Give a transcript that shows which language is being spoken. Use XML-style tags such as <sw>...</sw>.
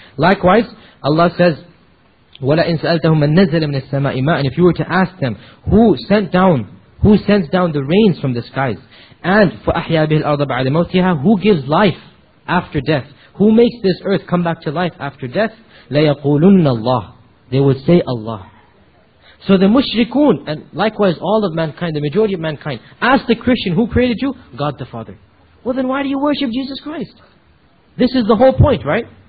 <en>Likewise, Allah says,</en> <ar>وَلَئِنْ سَأَلْتَهُمْ مَنْ نَزَلَ مِنَ السَّمَاءِ مَاءً.</ar> <en>If you were to ask them, who sends down the rains from the skies? And</en> <ar>فَأَحْيَا بِهِ الْأَرْضَ بَعْدَ مَوْتِهَا.</ar> <en>Who gives life after death? Who makes this earth come back to life after death?</en> <ar>لَيَقُولُنَّ اللَّهِ.</ar> <en>They would say Allah. So the mushrikun, and likewise all of mankind, the majority of mankind, ask the Christian, who created you? God the Father. Well then why do you worship Jesus Christ? This is the whole point, right?</en>